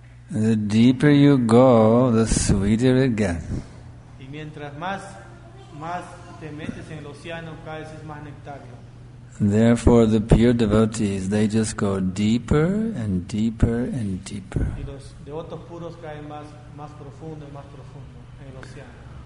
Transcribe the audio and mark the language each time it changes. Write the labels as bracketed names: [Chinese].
[English] The deeper you go, the sweeter it gets. [Spanish] Y mientras más te metes en el océano, cada vez es más nectario. [English] Therefore, the pure devotees, they just go deeper and deeper and deeper. [Spanish] Y los devotos puros caen más profundo y más profundo en el océano.